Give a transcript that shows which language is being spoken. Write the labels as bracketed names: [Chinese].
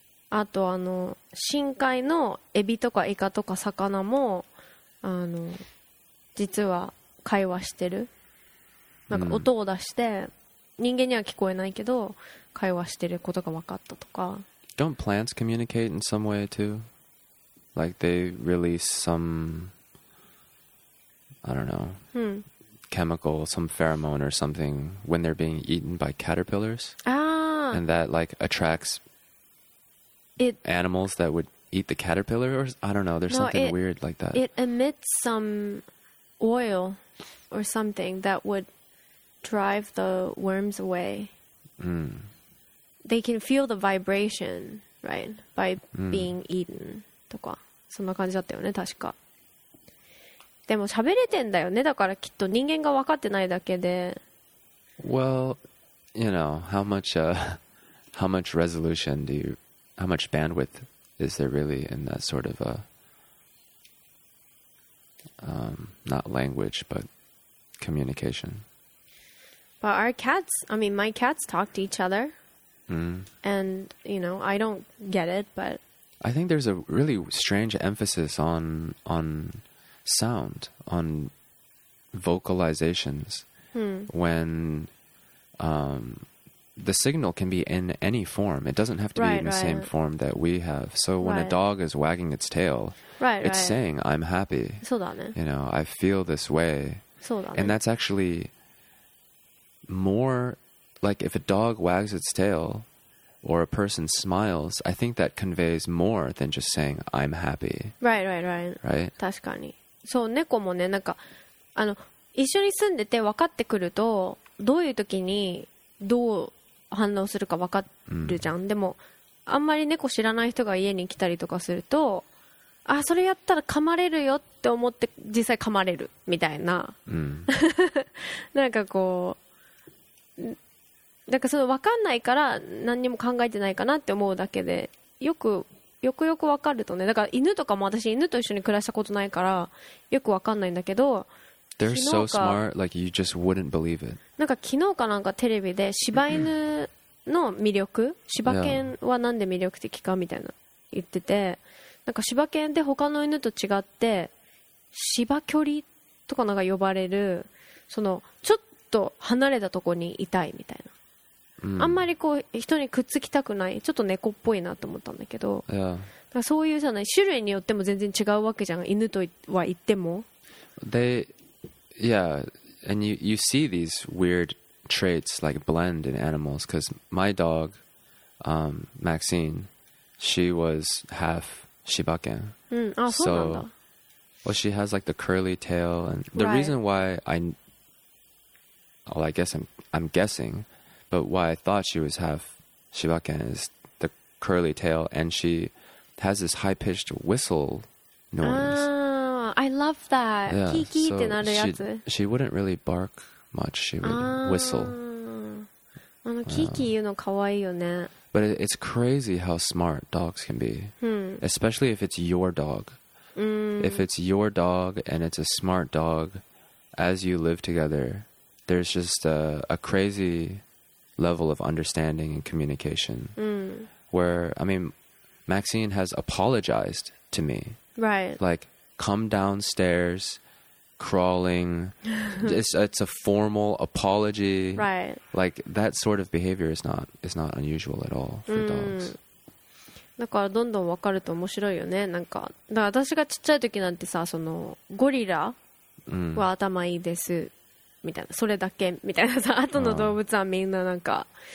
[Japanese] あとあの深海のエビとかイカとか魚もあの実は会話してる。なんか音を出して人間には聞こえないけど会話してることが分かったとか。 [English] Don't plants communicate in some way too? Like they release some, I don't know, chemical, some pheromone or something when they're being eaten by caterpillars. Ah. And that like attracts it, animals that would eat the caterpillar or I don't know. There's something weird like that. It emits some oil or something that would. Drive the worms away. They can feel the vibration, right? By being eaten. [Japanese] とか、そんな感じだったよね、確か。でも喋れてんだよね、だからきっと人間が分かってないだけで。 [English] Well, you know, how much resolution do you, how much bandwidth is there really in that sort of a, not language, but communication? But our cats, I mean, my cats talk to each other. And, you know, I don't get it, but... I think there's a really strange emphasis on sound, on vocalizations. When the signal can be in any form. It doesn't have to be in the same form that we have. So when a dog is wagging its tail, it's saying, I'm happy. [Japanese] そうだね。 [English] You know, I feel this way. [Japanese] そうだね。 [English] And that's actually... More like if a dog wags its tail or a person smiles, I think that conveys more than just saying I'm happy. Right. [Japanese] 確かに。そう、猫もね、なんかあの一緒に住んでて分かってくるとどういう時にどう反応するか分かるじゃん。でもあんまり猫知らない人が家に来たりとかすると、あ、それやったら噛まれるよって思って実際噛まれるみたいな。なんかこう。だからその分かんないから何にも考えてないかなって思うだけで、よく分かるとね。だから犬とかも、私犬と一緒に暮らしたことないからよく分かんないんだけど、 [English] They're so smart, like you just wouldn't believe it. [Japanese] なんか昨日かなんかテレビで柴犬の魅力、柴犬はなんで魅力的かみたいな言ってて、なんか柴犬って他の犬と違って柴距離とかなんか呼ばれる、そのちょっとちょっと離れたとこにいたいみたいな、あんまりこう人にくっつきたくない、ちょっと猫っぽいなと思ったんだけど、そういうさ、種類によっても全然違うわけじゃん。犬とは言っても。 [English] They, yeah, and you see these weird traits like blend in animals. Because my dog, Maxine, she was half Shibaken. So, well, she has like the curly tail, and the reason why I guess I'm guessing, but why I thought she was half Shibaken is the curly tail, and she has this high-pitched whistle noise. Oh, I love that. Yeah, [Japanese] キーキーってなるやつ。 [English] She wouldn't really bark much. She would whistle. [Japanese] あの、キーキー言うのかわいいよね。 [English] But it's crazy how smart dogs can be. Especially if it's your dog. If it's your dog and it's a smart dog, as you live together, there's just a crazy level of understanding and communication. Where, I mean... Maxine has apologized to me. Right. Like, come downstairs, crawling. it's a formal apology. Right. Like, that sort of behavior is not unusual at all for dogs. [Japanese] だからどんどん分かると面白いよね。なんか、だから私がちっちゃい時なんてさ、そのゴリラは頭いいです、みたいな。それだけ、みたいなさ、あとの動物はみんななんか